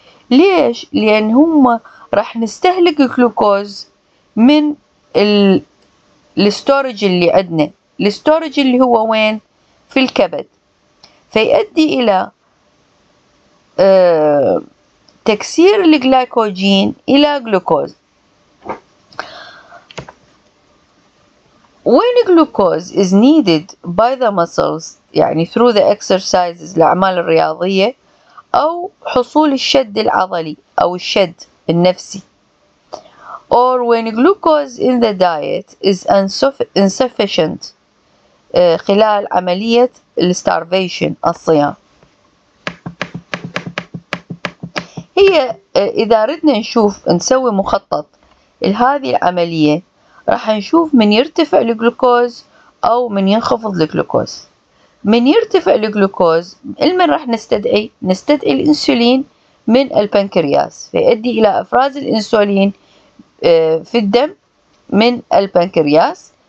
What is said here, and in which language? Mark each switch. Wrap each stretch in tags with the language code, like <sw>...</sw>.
<ar>ليش؟ لأن هم راح نستهلك الجلوكوز من الستورج اللي عندنا. الستورج اللي هو وين؟ في الكبد. فيؤدي إلى تكسير الجلايكوجين إلى جلوكوز.</ar> <en>When glucose is needed by the muscles, يعني through the exercises,</en> <ar>الأعمال الرياضية, أو حصول الشد العضلي أو الشد النفسي,</ar> <en>or when glucose in the diet is insufficient,</en> <ar>خلال عملية</ar> <en>starvation,</en> <ar>الصيام. هي إذا ردنا نشوف نسوي مخطط لهذه العملية, راح نشوف من يرتفع الجلوكوز أو من ينخفض الجلوكوز. من يرتفع الجلوكوز المن راح نستدعي؟ نستدعي الإنسولين من البنكرياس, فيؤدي إلى إفراز الإنسولين في الدم من البنكرياس.</ar>